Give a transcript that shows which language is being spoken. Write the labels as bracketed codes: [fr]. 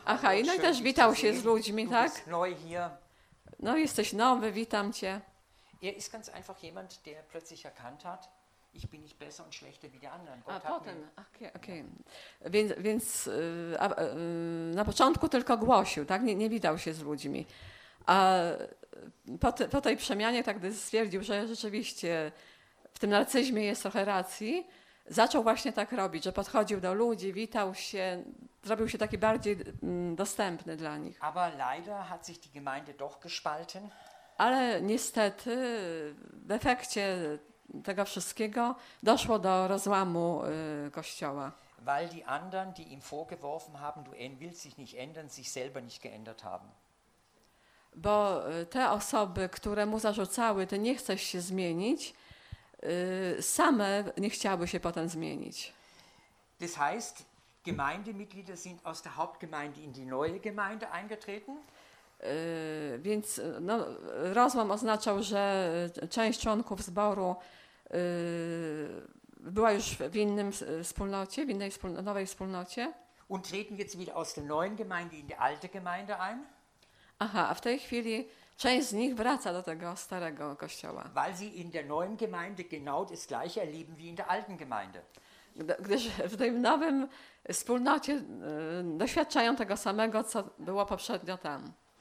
[pl] Aha, i no i też witał się z ludźmi, [de] du [pl] tak? [de] Bist neu hier. [pl] No, jesteś nowy, witam cię. [de] Er ist ganz einfach jemand, der plötzlich erkannt hat. Ich bin nicht besser und schlechter wie die anderen. [pl] Gott a potem, okay. Więc na początku tylko głosił, tak? Nie widał się z ludźmi. A po tej przemianie, tak, gdy stwierdził, że rzeczywiście w tym narcyzmie jest trochę racji, zaczął właśnie tak robić, że podchodził do ludzi, witał się, zrobił się taki bardziej dostępny dla nich. [de] Aber leider hat sich die Gemeinde doch gespalten. [pl] Ale niestety w efekcie tego wszystkiego doszło do rozłamu kościoła. [de] Weil die anderen, die ihm vorgeworfen haben, du willst dich nicht ändern, sich selber nicht geändert haben. [pl] Bo te osoby, które mu zarzucały, ty nie chcesz się zmienić, same nie chciały się potem zmienić. [de] Das heißt, Gemeindemitglieder sind aus der Hauptgemeinde in die neue Gemeinde eingetreten. [pl] Więc no, rozłam oznaczał, że część członków zboru była już w innym wspólnocie, w innej nowej wspólnocie. [de] Und treten jetzt wieder aus der neuen Gemeinde in die alte Gemeinde ein? [pl] Aha, a w tej chwili część z nich wraca do tego starego kościoła. [de] Weil sie in der neuen Gemeinde genau das gleiche erleben wie in der alten Gemeinde. [pl] Gdyż w tej nowym wspólnocie doświadczają tego samego, co było poprzednio tam.